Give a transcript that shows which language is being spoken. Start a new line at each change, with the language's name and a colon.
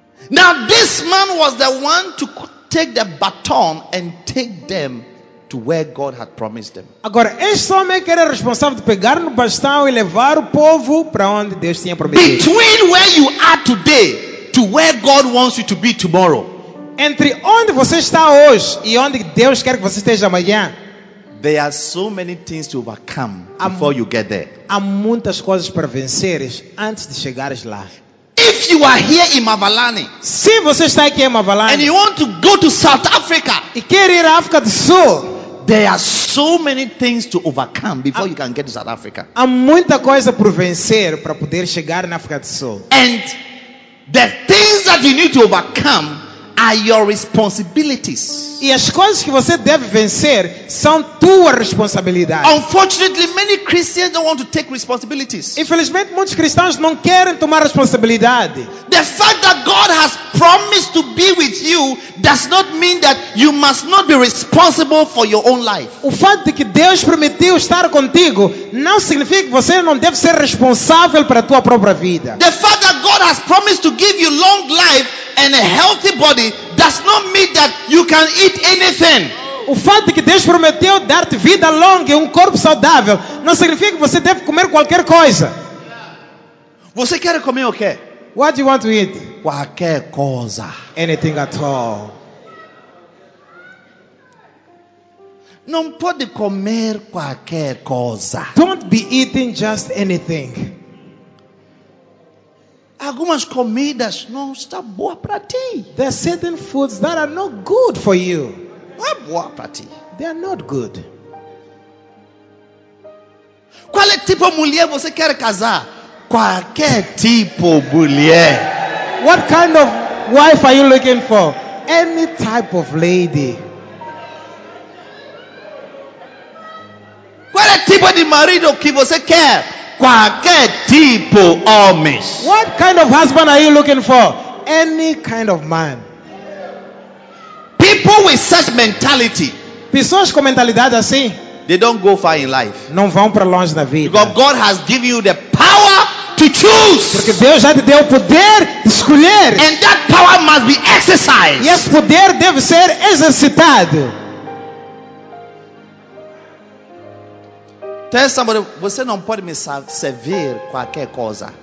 English: Now this man was the one to take the baton and take them to where God had promised them.
Portuguese: Agora, este homem que era responsável de pegar no bastão e levar o povo para onde Deus tinha prometido.
English: Between where you are today to where God wants you to be tomorrow.
Portuguese: Entre onde você está hoje e onde Deus quer que você esteja amanhã.
English: There are so many things to overcome before you get there.
Portuguese: Há muitas coisas para venceres antes de chegares lá.
English: If you are here in Mavalani,
Portuguese: se você está aqui em Mavalani,
English: and you want to go to South Africa,
Portuguese: e quer ir à África do Sul,
English: there are so many things to overcome before you can get to South Africa.
Portuguese: Há muita coisa por vencer para poder chegar na África do Sul.
English: And the things that you need to overcome are your responsibilities.
Portuguese: E as coisas que você deve vencer são tua responsabilidade.
English: Unfortunately, many Christians don't want to take responsibilities.
Portuguese: Infelizmente, muitos cristãos não querem tomar responsabilidade.
English: The fact that God has promised to be with you does not mean that you must not be responsible for your own life.
Portuguese: O fato de que Deus prometeu estar contigo não significa que você não deve ser responsável para a tua própria vida.
English: The fact that God has promised to give you long life and a healthy body does not mean that you can eat anything.
Portuguese: O fato de que Deus prometeu dar-te vida longa e corpo saudável não significa que você deve comer qualquer coisa. Você quer comer o quê?
English: What do you want to eat?
Portuguese: Qualquer coisa.
English: Anything at all.
Portuguese: Não pode comer qualquer coisa.
English: Don't be eating just anything.
Portuguese: Algumas comidas não estão boas para ti.
English: There are certain foods that are not good for you.
Portuguese: Não é boa para ti.
English: They are not good.
Portuguese: Qual é tipo de mulher você quer casar? Qualquer tipo de mulher.
English: What kind of wife are you looking for? Any type of lady.
Portuguese: Qual é tipo de marido que você quer? Qualquer tipo homens.
English: What kind of husband are you looking for? Any kind of man. People with such mentality,
Portuguese: pessoas com mentalidade assim,
English: they don't go far in life.
Portuguese: Não vão para longe na vida.
English: Because God has given you the power to choose.
Portuguese: Porque Deus já te deu o poder de escolher.
English: And that power must be exercised.
Portuguese: E esse poder deve ser exercitado.
English: Tell somebody,
Portuguese: você não pode me servir qualquer coisa.